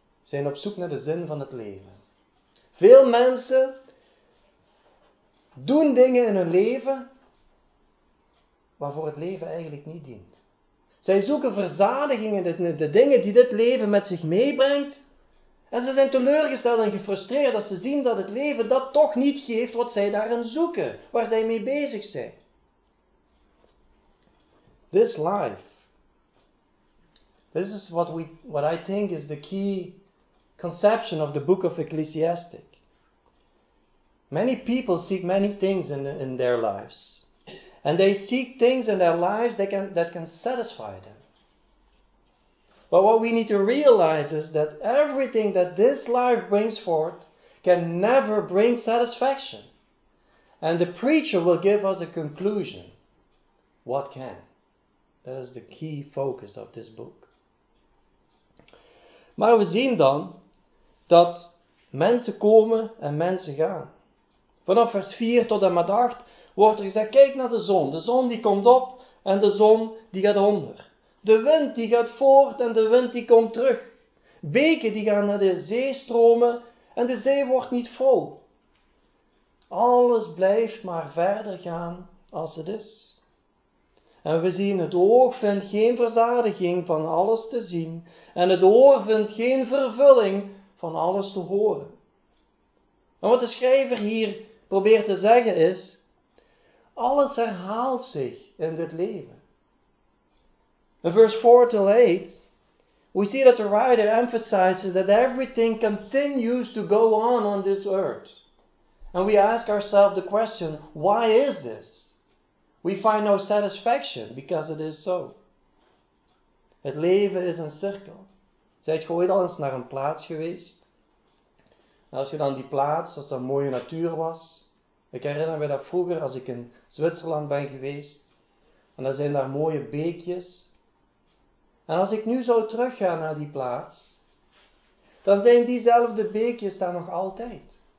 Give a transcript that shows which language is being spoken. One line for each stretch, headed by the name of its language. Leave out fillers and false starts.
Dutch: zijn op zoek naar de zin van het leven. Veel mensen doen dingen in hun leven waarvoor het leven eigenlijk niet dient. Zij zoeken verzadiging in de dingen die dit leven met zich meebrengt. En ze zijn teleurgesteld en gefrustreerd als ze zien dat het leven dat toch niet geeft wat zij daarin zoeken, waar zij mee bezig zijn.
English: This life, this is what I think is the key conception of the book of Ecclesiastes. Many people seek many things in their lives. And they seek things in their lives that can satisfy them. But what we need to realize is that everything that this life brings forth can never bring satisfaction. And the preacher will give us a conclusion. What can? That is the key focus of this book.
Dutch: Maar we zien dan dat mensen komen en mensen gaan. Vanaf vers 4 tot en met 8 wordt er gezegd, kijk naar de zon. De zon die komt op en de zon die gaat onder. De wind die gaat voort en de wind die komt terug. Beken die gaan naar de zee stromen en de zee wordt niet vol. Alles blijft maar verder gaan als het is. En we zien het oog vindt geen verzadiging van alles te zien. En het oor vindt geen vervulling van alles te horen. En wat de schrijver hier probeert te zeggen is, alles herhaalt zich in dit leven.
English: In verse 4 till 8, we see that the writer emphasizes that everything continues to go on this earth. And we ask ourselves the question, why is this? We find no satisfaction because it is so.
Dutch: Het leven is een cirkel. Zijt je ooit al eens naar een plaats geweest? En als je dan die plaats, als dat een mooie natuur was. Ik herinner me dat vroeger als ik in Zwitserland ben geweest. En dan zijn daar mooie beekjes. En als ik nu zou teruggaan naar die plaats, dan zijn diezelfde beekjes daar nog altijd.